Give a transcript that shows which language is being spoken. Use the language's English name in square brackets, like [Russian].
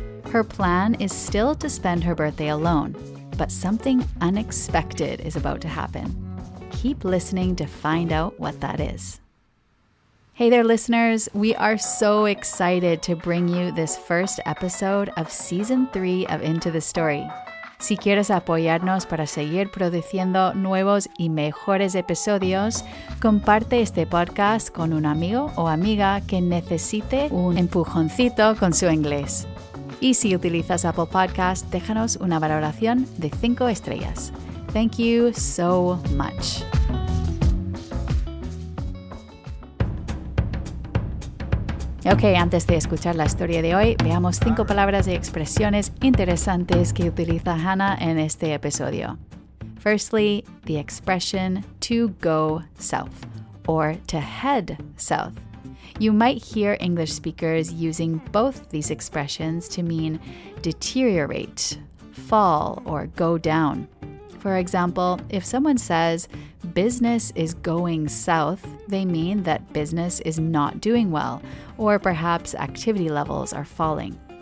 [English] Her plan is still to spend her birthday alone, but something unexpected is about to happen. Keep listening to find out what that is. Hey there, listeners. We are so excited to bring you this first episode of Season 3 of Into the Story. [Spanish] Si quieres apoyarnos para seguir produciendo nuevos y mejores episodios, comparte este podcast con un amigo o amiga que necesite un empujoncito con su inglés. Y si utilizas Apple Podcasts, déjanos una valoración de 5 estrellas. [English] Thank you so much. [Spanish] Ok, antes de escuchar la historia de hoy, veamos 5 palabras y expresiones interesantes que utiliza Hannah en este episodio. [English] Firstly, the expression to go south, or to head south. You might hear English speakers using both these expressions to mean deteriorate, fall, or go down. For example, if someone says business is going south, they mean that business is not doing well, or perhaps activity levels are falling.